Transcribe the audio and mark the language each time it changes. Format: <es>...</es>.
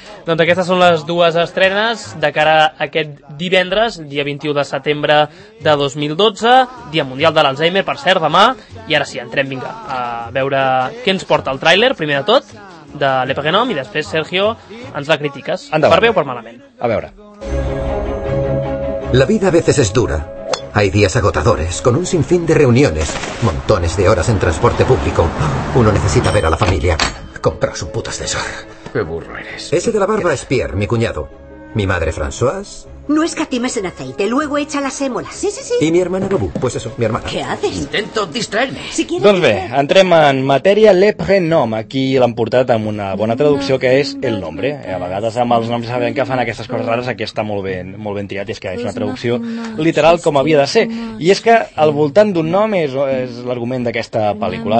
<ca>Doncs aquestes són les dues estrenes de cara a aquest divendres, dia 21 de setembre de 2012, Dia Mundial de l'Alzheimer, per cert, demà, i ara sí, entrem, vinga, a veure què ens porta el tràiler, primer de tot, de Le Prénom, i després, Sergio, ens la critiques. Endavant. Per bé o per malament? A veure.</ca> <es>La vida a veces es dura. Hay días agotadores, con un sinfín de reuniones, montones de horas en transporte público. Uno necesita ver a la familia. Compraos un puto ascensor. Qué burro eres. Ese de la barba es Pierre, mi cuñado. Mi madre, Françoise. No escatimes en aceite, luego echa la sémola. Sí, sí, sí. Y mi hermana Babu, pues eso, mi hermana. ¿Qué haces? Intento distraerme. Si quieres.</es> <ca>Doncs bé, entrem en matèria. Le prénom, aquí l'han portat amb una bona traducció, que és el nombre. A vegades amb els noms sabem que fan aquestes coses rares. Aquí està molt ben triat, és que és una traducció literal com havia de ser. I és que al voltant d'un nom és l'argument d'aquesta pel·lícula.</ca>